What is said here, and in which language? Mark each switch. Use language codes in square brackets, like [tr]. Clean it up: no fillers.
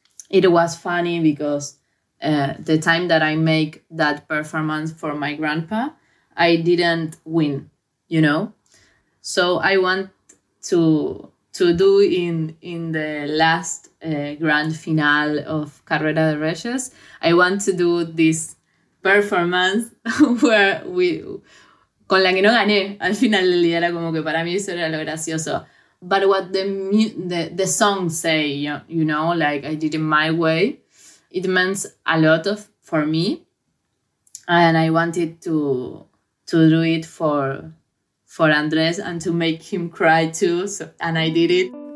[en] It was funny because the time that I make that performance for my grandpa, I didn't win, you know? So I want to do in the last grand finale of Carrera de Reyes, I want to do this performance where we... [es] Con la que no gané, al final del día era como que para mí eso era lo gracioso. [en] But what the song say, you know, like I did it my way, it means a lot of for me, and I wanted to do it for Andres and to make him cry too. So, and I did it.